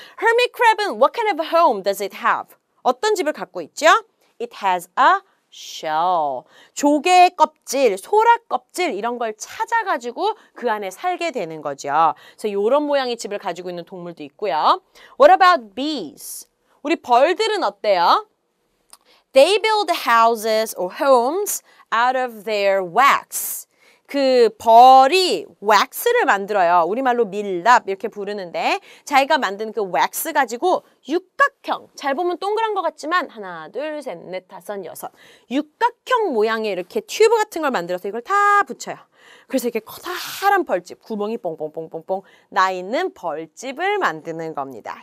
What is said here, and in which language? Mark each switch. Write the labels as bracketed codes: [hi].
[en] Hermit crab은 what kind of home does it have? [ko] 어떤 집을 갖고 있죠? [en] It has a shell. [ko] 조개의 껍질, 소라 껍질 이런 걸 찾아가지고 그 안에 살게 되는 거죠. 그래서 이런 모양의 집을 가지고 있는 동물도 있고요. [en] What about bees? [ko] 우리 벌들은 어때요? [en] They build houses or homes out of their wax. [ko] 그 벌이 wax를 만들어요. 우리말로 밀랍 이렇게 부르는데 자기가 만든 그 wax 가지고 육각형, 잘 보면 동그란 것 같지만 하나, 둘, 셋, 넷, 다섯, 여섯 육각형 모양의 이렇게 튜브 같은 걸 만들어서 이걸 다 붙여요. 그래서 이렇게 커다란 벌집, 구멍이 뽕뽕뽕뽕뽕 나 있는 벌집을 만드는 겁니다.